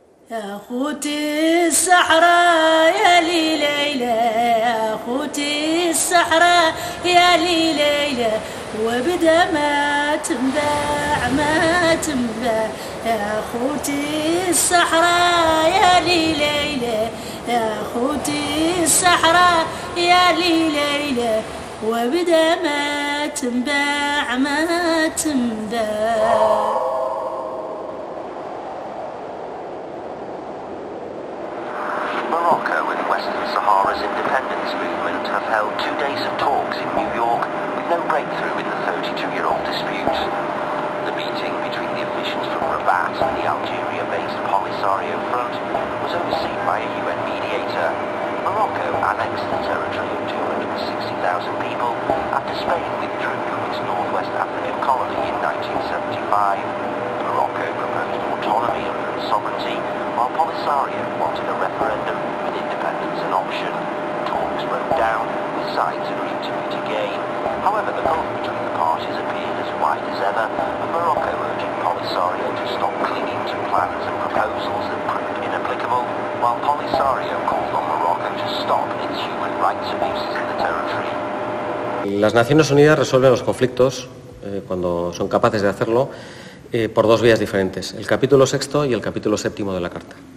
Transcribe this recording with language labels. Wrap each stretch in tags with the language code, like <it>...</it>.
<ar>أخوتي الصحراء يا لي ليلى، أخوتي الصحراء يا لي ليلى، وبدا ما تنباع ما تنباع، يا أخوتي الصحراء يا لي ليلى، يا أخوتي الصحراء يا لي ليلى، وبدا ما تنباع ما تنباع.</ar> <en>Morocco and Western Sahara's independence movement have held 2 days of talks in New York with no breakthrough in the 32-year-old dispute. The meeting between the officials from Rabat and the Algeria-based Polisario Front was overseen by a UN mediator. Morocco annexed the territory of 260,000 people after Spain withdrew from its northwest African colony in 1975. Morocco proposed autonomy and sovereignty, while Polisario wanted a referendum with independence an option. Talks broke down, with sides agreeing to meet again. However, the gulf between the parties appeared as wide as ever, and Morocco urging Polisario to stop clinging to plans and proposals that proved inapplicable, while Polisario called on Morocco to stop its human rights abuses in the territory.</en> <es>Las Naciones Unidas resuelven los conflictos cuando son capaces de hacerlo. Por dos vías diferentes, el capítulo sexto y el capítulo séptimo de la Carta.</es>